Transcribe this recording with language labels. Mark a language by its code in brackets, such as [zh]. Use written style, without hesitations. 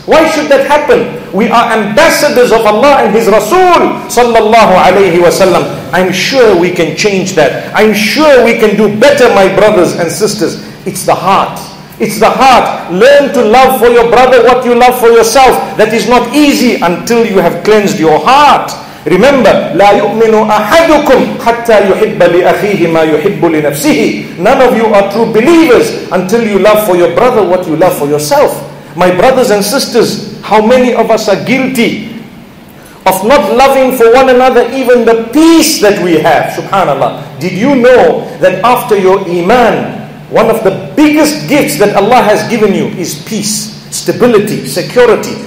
[en] Why should that happen? We are ambassadors of Allah and His Rasul sallallahu alayhi wa sallam. I'm sure we can change that. I'm sure we can do better, my brothers and sisters. It's the heart. It's the heart. Learn to love for your brother what you love for yourself. That is not easy until you have cleansed your heart. Remember, [ar] لا يؤمن أحدكم حتى يحب لأخيه ما يحب لنفسه. [en] None of you are true believers until you love for your brother what you love for yourself. My brothers and sisters, how many of us are guilty of not loving for one another even the peace that we have? Subhanallah. Did you know that after your iman, one of the biggest gifts that Allah has given you is peace, stability, security.